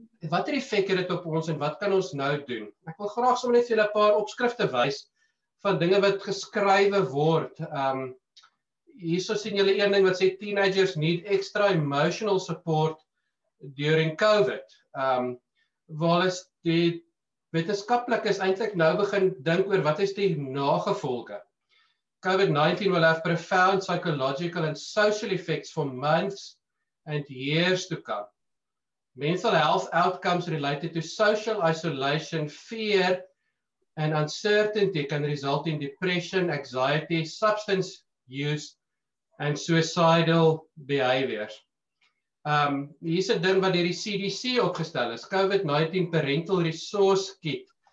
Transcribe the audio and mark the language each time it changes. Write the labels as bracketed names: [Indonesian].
[Afrikaans] Wat het die effek het op ons, en wat kan ons nou doen? Ek wil graag sommer net vir julle 'n paar opskrifte wys, van dinge wat geskrywe word. Hierso sien julle een ding wat sê, [English] teenagers need extra emotional support during COVID. [Afrikaans] Waar is die wetenskaplikes eintlik nou begin dink oor wat is die nagevolge? [English] COVID-19 will have profound psychological and social effects for months and years to come. Mental health outcomes related to social isolation, fear and uncertainty can result in depression, anxiety, substance use and suicidal behaviors. [Afrikaans] Hier is een ding wat die CDC opgestel is, [English] COVID-19 parental resource kit.